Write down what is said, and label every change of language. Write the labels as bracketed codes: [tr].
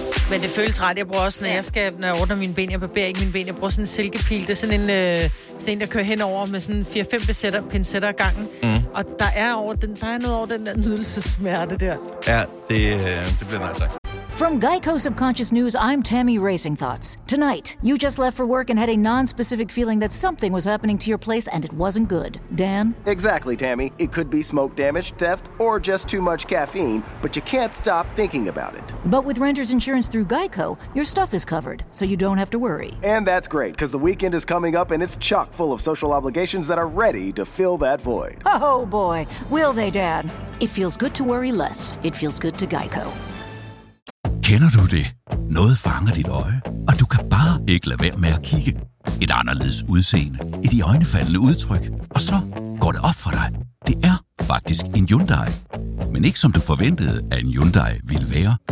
[da] Men det føles ret. Jeg bruger også, når jeg ordner mine ben, jeg barberer ikke mine ben. Jeg bruger sådan en silkepil. Det er sådan en, der kører henover med sådan 4-5 pincetter ad gangen. Mm. Og der er noget over den der nydelsesmerte der. Ja, det bliver nej, tak. [en] From Geico Subconscious News, I'm Tammy Racing Thoughts. Tonight, you just left for work and had a non-specific feeling that something was happening to your place and it wasn't good. Dan? Exactly, Tammy. It could be smoke damage, theft, or just too much caffeine, but you can't stop thinking about it. But with renter's insurance through Geico, your stuff is covered, so you don't have to worry. And that's great, because the weekend is coming up and it's chock full of social obligations that are ready to fill that void. Oh boy, will they, Dan? It feels good to worry less. It feels good to Geico. [da] Kender du det? Noget fanger dit øje, og du kan bare ikke lade være med at kigge. Et anderledes udseende, et iøjnefaldende udtryk, og så går det op for dig. Det er faktisk en Hyundai. Men ikke som du forventede, at en Hyundai ville være.